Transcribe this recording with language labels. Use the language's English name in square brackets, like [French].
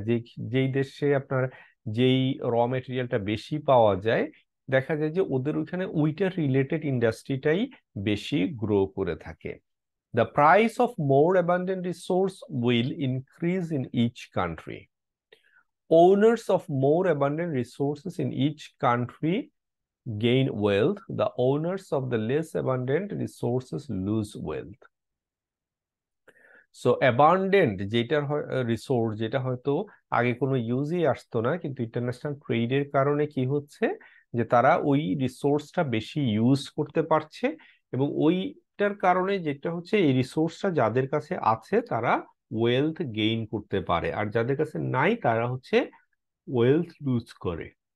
[Bangla] যে যেই দেশে আপনার যেই র মেটেরিয়ালটা বেশি পাওয়া যায়, দেখা যায় যে ওদের ওইখানে ওইটা রিলেটেড ইন্ডাস্ট্রিটাই বেশি গ্রো করে থাকে। [English] The price of more abundant resource will increase in each country. Owners of more abundant resources in each country gain wealth. The owners of the less abundant resources lose wealth. [Bangla] So abundant যেটা resource, যেটা হয়তো আগে কোনো ইউজই আসতো না, কিন্তু international ট্রেডের কারণে কি হচ্ছে যে তারা ওই রিসোর্সটা বেশি ইউজ করতে পারছে, এবং ওইটার কারণে যেটা হচ্ছে এই রিসোর্সটা যাদের কাছে আছে তারা ওয়েলথ গেইন করতে পারে, আর যাদের কাছে নাই তারা হচ্ছে ওয়েলথ লুজ করে।